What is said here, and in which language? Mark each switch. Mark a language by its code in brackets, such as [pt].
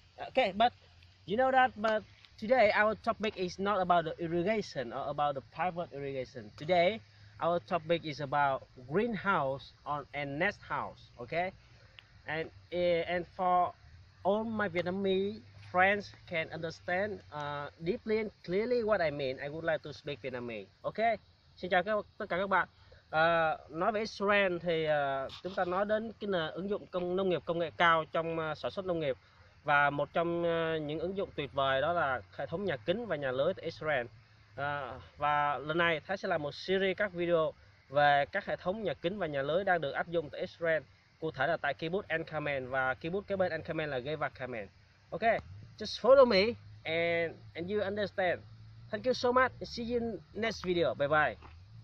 [en] Okay, but you know that. But today our topic is not about the irrigation or about the pivot irrigation. Today our topic is about greenhouse on and nest house. Okay, and for all my Vietnamese friends can understand deeply and clearly what I mean, I would like to speak Vietnamese. [vi] Okay, xin chào tất cả các bạn. Nói về Israel thì chúng ta nói đến cái ứng dụng công nông nghiệp công nghệ cao trong sản xuất nông nghiệp, và một trong những ứng dụng tuyệt vời đó là hệ thống nhà kính và nhà lưới tại Israel. Và lần này Thái sẽ làm một series các video về các hệ thống nhà kính và nhà lưới đang được áp dụng tại Israel, cụ thể là tại Kibbutz Ein Karmel, và Kibbutz kế bên Ein Karmel là Gevat Karmel. [en] Okay, just follow me and you understand. Thank you so much. See you in next video. Bye bye.